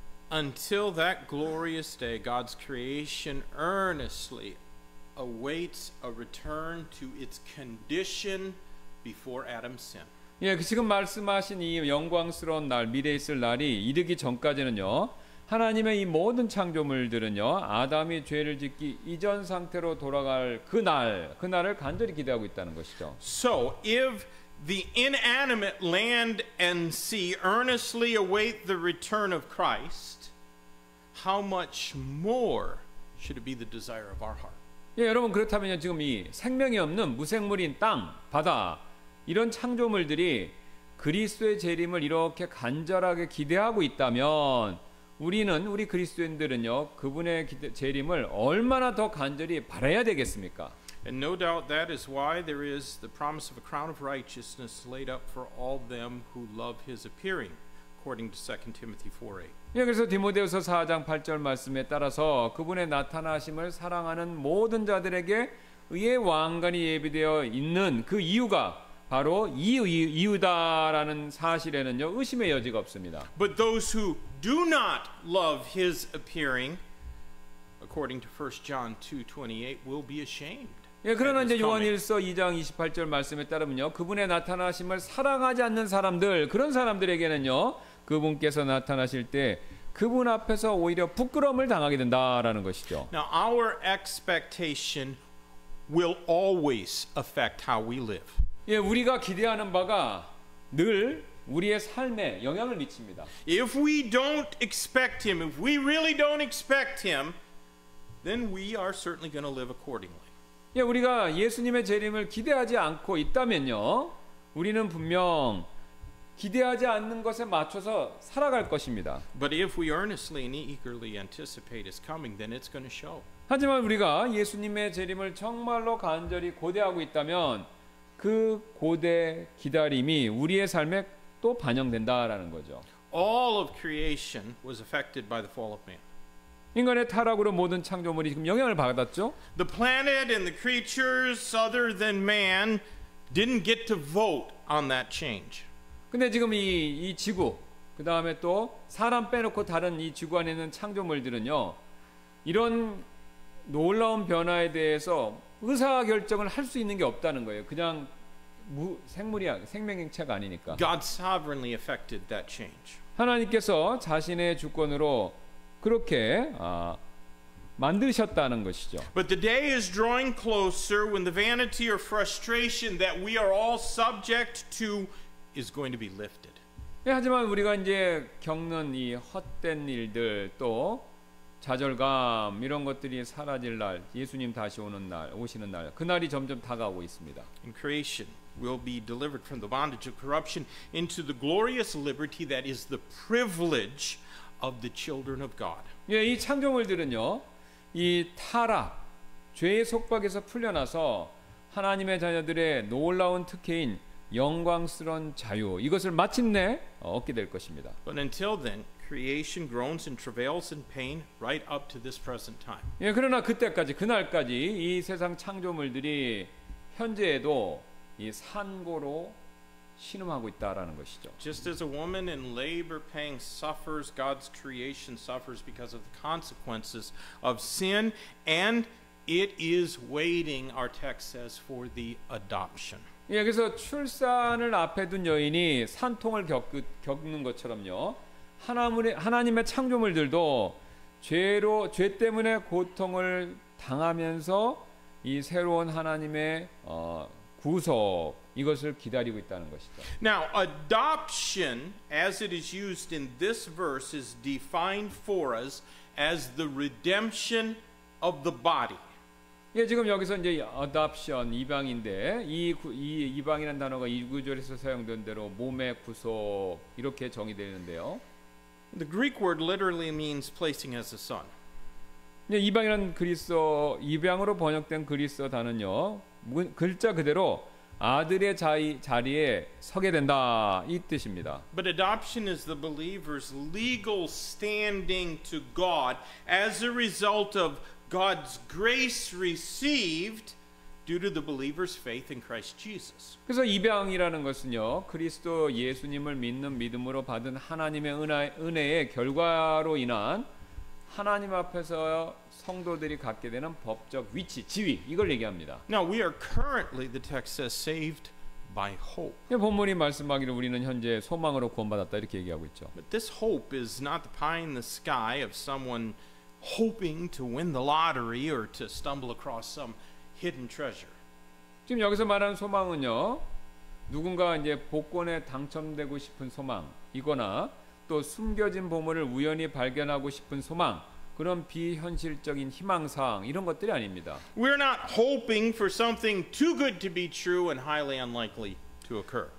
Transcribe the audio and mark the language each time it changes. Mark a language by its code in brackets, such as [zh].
[en] Until that glorious day, God's creation earnestly awaits a return to its condition before Adam's sin. [ko] 예, 지금 말씀하신 이 영광스러운 날, 미래에 있을 날이 이르기 전까지는요, 하나님의 이 모든 창조물들은요, 아담이 죄를 짓기 이전 상태로 돌아갈 그날을 간절히 기대하고 있다는 것이죠. [en] So if the inanimate land and sea earnestly await the return of Christ, how much more should it be the desire of our heart? [ko] 예, 여러분 그렇다면요 지금 이 생명이 없는 무생물인 땅, 바다 이런 창조물들이 그리스도의 재림을 이렇게 간절하게 기대하고 있다면 우리는 우리 그리스도인들은요 그분의 재림을 얼마나 더 간절히 바라야 되겠습니까? [en] And no doubt that is why there is the promise of a crown of righteousness laid up for all them who love His appearing, according to 2 Timothy 4:8. [ko] 예, 그래서 디모데후서 4장 8절 말씀에 따라서 그분의 나타나심을 사랑하는 모든 자들에게 의의 왕관이 예비되어 있는 그 이유가 바로 이유다라는 사실에는요 의심의 여지가 없습니다. [en] But those who do not love His appearing, according to 1 John 2:28, will be ashamed. [ko] 예, 그러나 이제 요한일서 2장 28절 말씀에 따르면요 그분의 나타나심을 사랑하지 않는 사람들 그런 사람들에게는요. 그분께서 나타나실 때 그분 앞에서 오히려 부끄러움을 당하게 된다라는 것이죠. [en] Now our expectation will always affect how we live. [ko] 예, 우리가 기대하는 바가 늘 우리의 삶에 영향을 미칩니다. [en] If we don't expect him, if we really don't expect him, then we are certainly going to live accordingly. [ko] 예, 우리가 예수님의 재림을 기대하지 않고 있다면요. 우리는 분명 기대하지 않는 것에 맞춰서 살아갈 것입니다. [en] But if we earnestly and eagerly anticipate His coming, then it's going to show. [ko] 하지만 우리가 예수님의 재림을 정말로 간절히 고대하고 있다면 그 고대 기다림이 우리의 삶에 또 반영된다라는 거죠. [en] All of creation was affected by the fall of man. [ko] 인간의 타락으로 모든 창조물이 지금 영향을 받았죠. [en] The planet and the creatures other than man didn't get to vote on that change. [ko] 근데 지금 이 지구 그 다음에 또 사람 빼놓고 다른 이 지구 안에 있는 창조물들은요 이런 놀라운 변화에 대해서 의사 결정을 할 수 있는 게 없다는 거예요. 그냥 생물이야 생명체가 아니니까. [en] God sovereignly affected that change. [ko] 하나님께서 자신의 주권으로 그렇게 만드셨다는 것이죠. [en] But the day is drawing closer when the vanity or frustration that we are all subject to is going to be lifted. [ko] 예, 하지만 우리가 이제 겪는 이 헛된 일들 또 좌절감 이런 것들이 사라질 날, 예수님 다시 오는 날, 오시는 날, 그 날이 점점 다가오고 있습니다. [en] In creation, we'll be delivered from the bondage of corruption into the glorious liberty that is the privilege of the children of God. [ko] 예, 이 창조물들은요, 이 타락, 죄의 속박에서 풀려나서 하나님의 자녀들의 놀라운 특혜인 영광스런 자유 이것을 마침내 얻게 될 것입니다. [en] But until then, creation groans and travails in pain right up to this present time. [ko] 예, 그러나 그때까지 그날까지 이 세상 창조물들이 현재에도 이 산고로 신음하고 있다라는 것이죠. [en] Just as a woman in labor pain suffers, God's creation suffers because of the consequences of sin, and it is waiting, our text says, for the adoption. [ko] 예, 그래서 출산을 앞에 둔 여인이 산통을 겪는 것처럼요. 하나님의 창조물들도 죄 때문에 고통을 당하면서 이 새로운 하나님의 구속 이것을 기다리고 있다는 것이죠. [en] Now, adoption as it is used in this verse is defined for us as the redemption of the body. [ko] 예, 지금 여기서 이제 adoption 이방인데 이 이방이라는 단어가 이 구절에서 사용된 대로 몸의 구속 이렇게 정의되는데요. [en] The Greek word literally means placing as a son. [ko] 예, 이방이라는 그리스어 이방으로 번역된 그리스어 단어는요 글자 그대로 아들의 자리에 서게 된다 이 뜻입니다. [en] But adoption is the believer's legal standing to God as a result of God's grace received due to the believer's faith in Christ Jesus. [ko] 그래서 입양이라는 것은요, 그리스도 예수님을 믿는 믿음으로 받은 하나님의 은혜의 결과로 인한 하나님 앞에서 성도들이 갖게 되는 법적 위치, 지위 이걸 얘기합니다. [en] Now we are currently, the text says, saved by hope. [ko] 본문이 말씀하기를 우리는 현재 소망으로 구원받았다 이렇게 얘기하고 있죠. [en] But this hope is not the pie in the sky of someone hoping to win the lottery or to stumble across some hidden treasure. [ko] 지금 여기서 말하는 소망은요, 누군가 이제 복권에 당첨되고 싶은 소망이거나 또 숨겨진 보물을 우연히 발견하고 싶은 소망, 그런 비현실적인 희망사항 이런 것들이 아닙니다. [en] We're not hoping for something too good to be true and highly unlikely to occur.